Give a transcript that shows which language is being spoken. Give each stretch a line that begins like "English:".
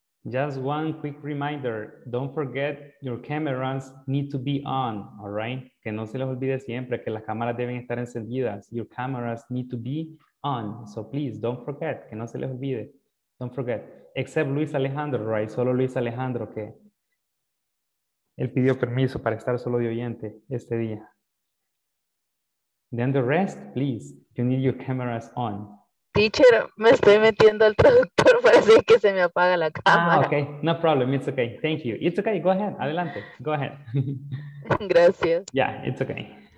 English: Just one quick reminder, don't forget your cameras need to be on, all right?
Spanish: Que no se les olvide siempre que las cámaras deben estar encendidas.
English: Your cameras need to be on. So please, don't forget,
Spanish: que no se les olvide.
English: Don't forget. Except Luis Alejandro, right?
Spanish: Solo Luis Alejandro que él pidió permiso para estar solo de oyente este día.
English: Then the rest, please, you need your cameras on.
Spanish: Teacher, me estoy metiendo al traductor, parece que se me apaga la cámara.
English: Ah, okay, no problem, it's okay, thank you. It's okay, go ahead,
Spanish: adelante,
English: go ahead.
Spanish: Gracias.
English: Yeah, it's okay.